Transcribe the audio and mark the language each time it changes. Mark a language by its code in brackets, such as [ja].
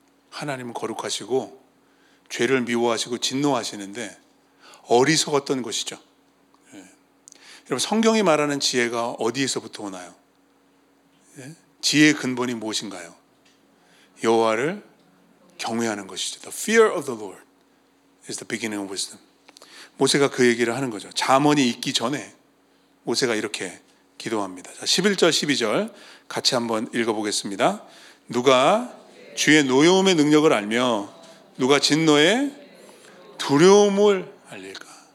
[ko] 하나님은 거룩하시고 죄를 미워하시고 진노하시는데 어리석었던 것이죠. 예. 여러분, 성경이 말하는 지혜가 어디에서부터 오나요? 예? 지혜의 근본이 무엇인가요? 여호와를 경외하는 것이죠. [en] The fear of the Lord is the beginning of wisdom. [ko] 모세가 그 얘기를 하는 거죠. 잠언이 있기 전에 모세가 이렇게 기도합니다. 자, 11절 12절 같이 한번 읽어보겠습니다. 누가 주의 노여움의 능력을 알며 누가 진노의 두려움을 알릴까?